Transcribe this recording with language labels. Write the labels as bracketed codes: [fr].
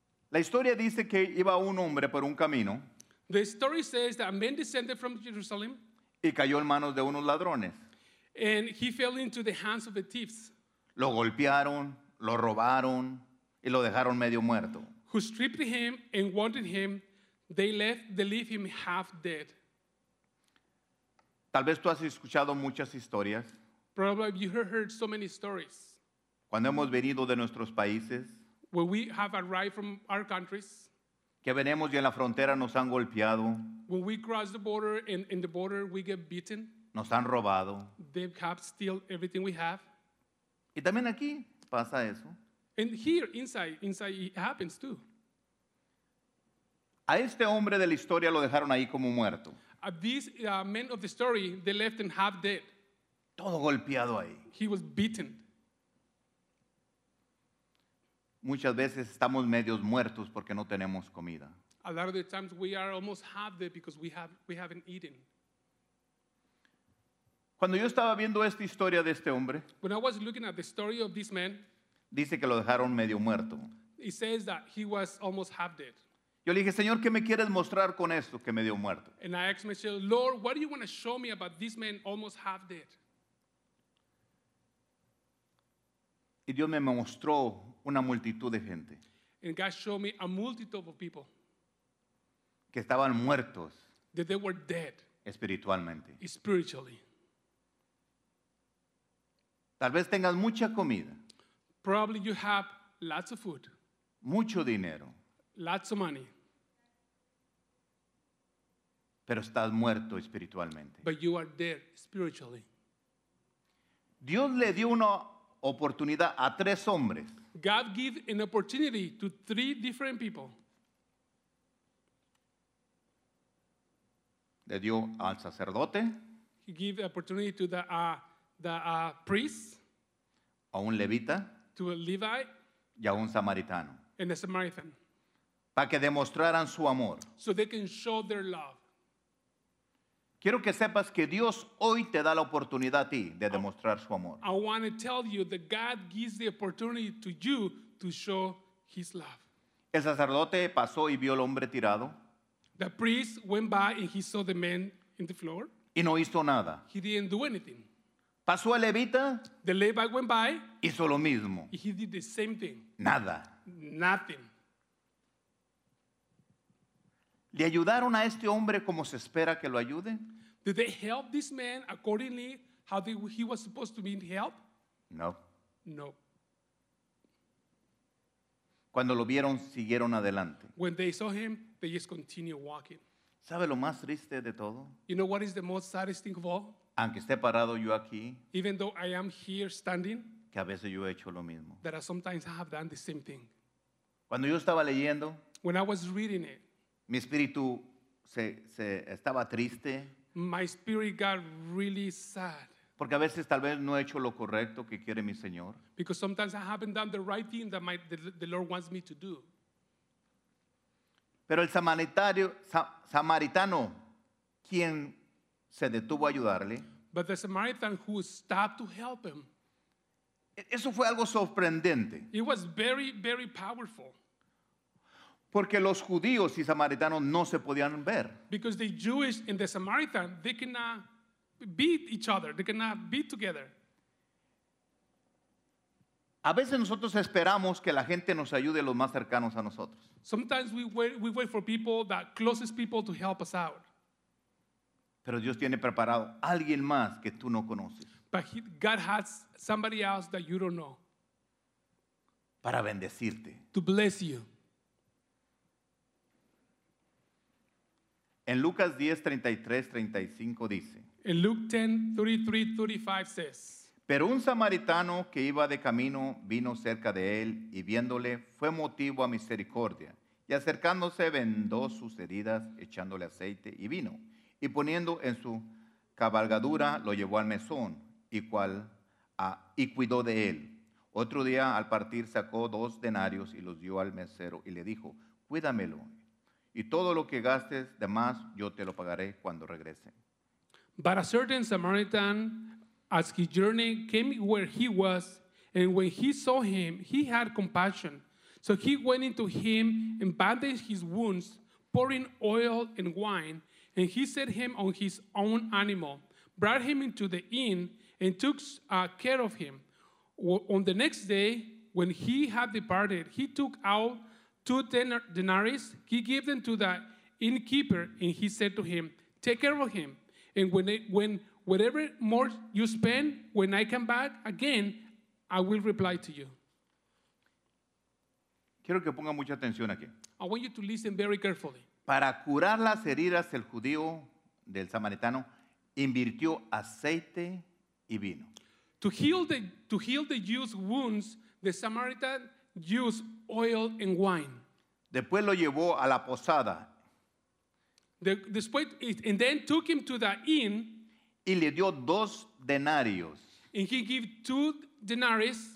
[es] La historia dice que iba un hombre por un camino. [en] The story says that a man descended from Jerusalem. [es] Y cayó en manos de unos ladrones. [en] And he fell into the hands of the thieves. [es] Lo golpearon, lo robaron, y lo dejaron medio muerto. [en] Who stripped him and wounded him, they leave him half dead. [es] Tal vez tú has escuchado muchas historias. [en] Probably you heard so many stories. [es] Cuando hemos venido de nuestros países, [en] when we have arrived from our countries, [es] que venimos y en la frontera nos han golpeado, [en] when we cross the border and in the border we get beaten, [es] nos han robado, [en] they have stolen everything we have. [es] Y también aquí pasa eso. [en] And here inside it happens too. [es] A este hombre de la historia lo dejaron ahí como muerto. [en] This man of the story, they left him half dead. [es] Todo golpeado ahí. [en] He was beaten. [es] Muchas veces estamos medios muertos porque no tenemos comida. [en] A lot of the times we are almost half dead because we haven't eaten. [es] Cuando yo estaba viendo esta historia de este hombre, [en] when I was looking at the story of this man, [es] dice que lo dejaron medio muerto. [en] It says that he was almost half dead. [es] Yo le dije, Señor, ¿qué me quieres mostrar con esto que medio muerto? [en] And I asked myself, Lord, what do you want to show me about this man almost half dead? [es] Y Dios me mostró una multitud de gente. [en] And God showed me a multitude of people. [es] Que estaban muertos. [en] That they were dead. [es] Espiritualmente. [en] Spiritually. [es] Tal vez tengas mucha comida. [en] Probably you have lots of food. [es] Mucho dinero. [en] Lots of money. [es] Pero estás muerto espiritualmente. [en] But you are dead spiritually. [es] Dios le dio una oportunidad a tres hombres. [en] God gave an opportunity to three different people. [es] Le dio al sacerdote. [en] He gave opportunity to the priest. [es] A un levita. [en] To a Levite. [es] Y a un samaritano. [en] And a Samaritan. [es] Para que demostraran su amor. [en] So they can show their love. [es] Quiero que sepas que Dios hoy te da la oportunidad a ti de demostrar su amor. [en] I want to tell you that God gives the opportunity to you to show his love. [es] El sacerdote pasó y vio al hombre tirado. [en] The priest went by and he saw the man in the floor. [es] Y no hizo nada. [en] He didn't do anything. [es] Pasó el levita. [en] The Levite went by. [es] Hizo lo mismo. [en] He did the same thing. [es] Nada. [en] Nothing. [es] ¿Le ayudaron a este hombre como se espera que lo ayude? [en] Did they help this man accordingly how he was supposed to be helped? [es] No. [en] No. [es] Cuando lo vieron, siguieron adelante. [en] When they saw him, they just continued walking. [es] ¿Sabe lo más triste de todo? [en] You know what is the most saddest thing of all? [es] Aunque esté parado yo aquí. [en] Even though I am here standing. [es] Que a veces yo he hecho lo mismo. [en] That sometimes I have done the same thing. [es] Cuando yo estaba leyendo. [en] When I was reading it. [es] Mi espíritu se estaba triste. [en] My spirit got really sad. [es] Porque a veces tal vez no he hecho lo correcto que quiere mi Señor. [en] Because sometimes I haven't done the right thing that the Lord wants me to do. [es] Pero el samaritano, quien se detuvo a ayudarle. [en] But the Samaritan who stopped to help him. [es] Eso fue algo sorprendente. [en] It was very, very powerful. [es] Porque los judíos y samaritanos no se podían ver. [en] Because the Jewish and the Samaritan, they cannot be each other. They cannot be together. [es] A veces nosotros esperamos que la gente nos ayude los más cercanos a nosotros. [en] Sometimes we wait for people, the closest people to help us out. [es] Pero Dios tiene preparado alguien más que tú no conoces. [en] But God has somebody else that you don't know. [es] Para bendecirte. [en] To bless you. [es] En Lucas 10:33-35 dice. [en] In Luke 10:33-35 says. [es] Pero un samaritano que iba de camino vino cerca de él y viéndole fue motivo a misericordia y acercándose vendó sus heridas echándole aceite y vino y poniendo en su cabalgadura lo llevó al mesón y cuidó de él. Otro día al partir sacó 2 denarios y los dio al mesero y le dijo, cuídamelo. Y todo lo que gastes de más, yo te lo pagaré cuando regrese. [en] But a certain Samaritan, as he journeyed, came where he was, and when he saw him, he had compassion. So he went into him and bandaged his wounds, pouring oil and wine, and he set him on his own animal, brought him into the inn, and took care of him. On the next day, when he had departed, he took out 2 denarii, he gave them to the innkeeper, and he said to him, take care of him, and when whatever more you spend, when I come back again, I will reply to you. [es] Quiero que ponga mucha atención aquí. [en] I want you to listen very carefully. [es] Para curar las heridas, el judío del samaritano invirtió aceite y vino. [en] To heal the Jew's wounds, the Samaritan used oil and wine. [es] Después lo llevó a la posada. [en] And then took him to the inn. [es] Y le dio 2 denarios. [en] And he gave 2 denarii.